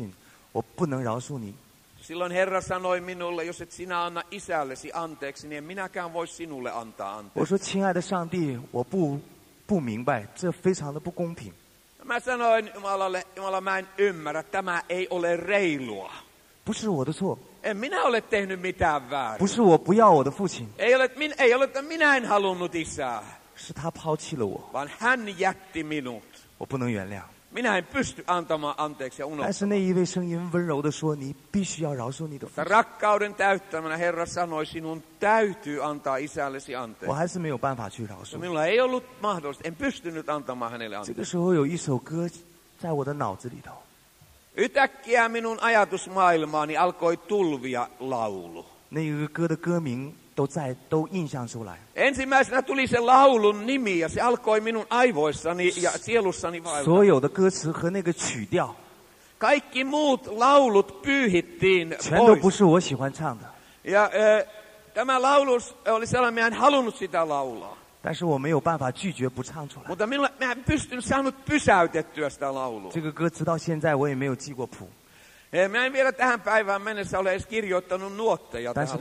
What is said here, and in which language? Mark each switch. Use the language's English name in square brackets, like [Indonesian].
[Chinese] 上帝说：“你若不饶恕你的父亲，我不能饶恕你。” [Finnish] Silloin Herra sanoi minulle, jos et sinä anna isällesi anteeksi, niin en minäkään voi sinulle antaa anteeksi. [Chinese] 我说：“亲爱的上帝，我不明白，这非常的不公平。” [Finnish] Mä sanoin Jumalalle, Jumala, mä en ymmärrä, tämä ei ole reilua. [Chinese] 不是我的错. [Finnish] En minä ole tehnyt mitään väärin. [Chinese] 不是我不要我的父亲. [Finnish] Ei ole, että minä en halunnut isää. [Chinese] 是他抛弃了我. [Finnish] Vaan hän jätti minut. [Chinese] 我不能原谅. [Finnish] Minä en pysty antamaan anteeksi ja unohtamaan. [Chinese] 但是那一位声音温柔地说, 你必须要饶恕你的父亲. [Finnish] Rakkauden täyttämänä Herra sanoi, sinun täytyy antaa isällesi anteeksi. [Chinese] 我还是没有办法去饶恕. [Finnish] Minulla ei ollut mahdollista, en pystynyt antamaan hänelle anteeksi. [Chinese] 这个时候有一首歌在我的脑子里头. [Finnish] Yhtäkkiä minun ajatusmaailmaani alkoi tulvia laulu. [Chinese] 那一个歌的歌名 都印象出来。 [Finnish] Ensimmäisenä tuli se laulun nimi ja se alkoi minun aivoissani ja sielussani vaivata. [Chinese] 所有的歌词和那个曲调, [Finnish] kaikki muut laulut pyyhittiin pois. [Chinese] 全都不是我喜欢唱的。 [Finnish] Ja tämä laulu oli sellainen, minä en halunnut sitä laulaa. [Chinese] 但是我没有办法拒绝不唱出来. [Finnish] Mutta minä en pystynyt saanut pysäytettyä sitä laulua. [Chinese] 这个歌直到现在我也没有记过谱. [Finnish] Minä en vielä tähän päivään mennessä ole edes kirjoittanut nuotteja.